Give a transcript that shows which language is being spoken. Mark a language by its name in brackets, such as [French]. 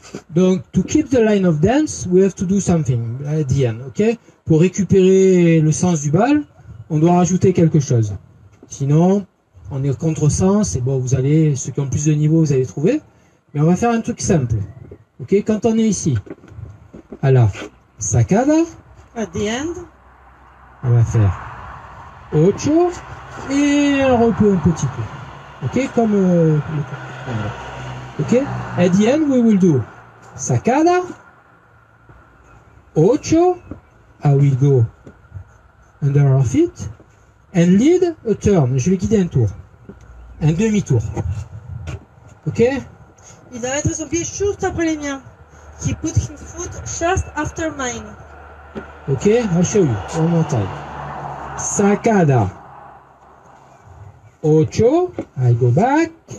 [English] Donc, to keep the line of dance, we have to do something at the end, ok? [French] Pour récupérer le sens du bal, on doit rajouter quelque chose. Sinon, on est contre sens, et bon, vous allez, ceux qui ont plus de niveau, vous allez trouver. Mais on va faire un truc simple, ok? Quand on est ici, à la sacada, [English] at the end, [French] on va faire ocho, et on repose un petit peu, ok? Comme... Okay. [English] At the end, we will do sacada, ocho, I will go under our feet, and lead a turn. [French] Je vais guider un tour, un demi-tour. Ok? Il doit mettre son pied juste après les miens. [English] He put his foot just after mine. Ok, I'll show you. [French] On m'entend. [English] Sacada, ocho, I go back.